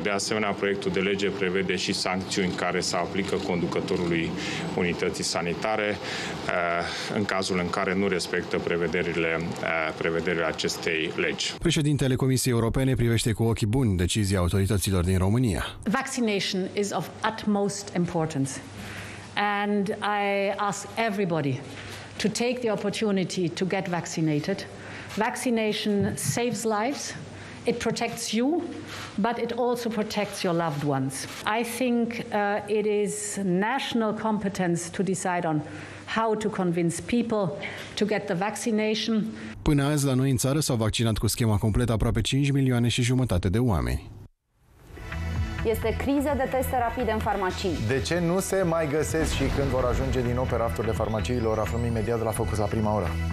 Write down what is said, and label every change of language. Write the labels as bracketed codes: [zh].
[ro] De asemenea, proiectul de lege prevede și sancțiuni care se aplică conducătorului unității sanitare în cazul în care nu respectă prevederile acestei legi. Președintele Comisiei Europene privește cu ochii buni decizia autorităților din România. [en] Vaccination is of utmost importance. And I ask everybody to take the opportunity to get vaccinated. Vaccination saves lives, It protects you, but it also protects your loved ones. I think it is national competence to decide on how to convince people to get the vaccination. [ro] Până azi, la noi în țară s-au vaccinat cu schema completă aproape 5 milioane și jumătate de oameni. Este criză de teste rapide în farmacii. De ce nu se mai găsesc și când vor ajunge din nou pe rafturile farmaciilor? Aflăm imediat de la Focus la prima oră.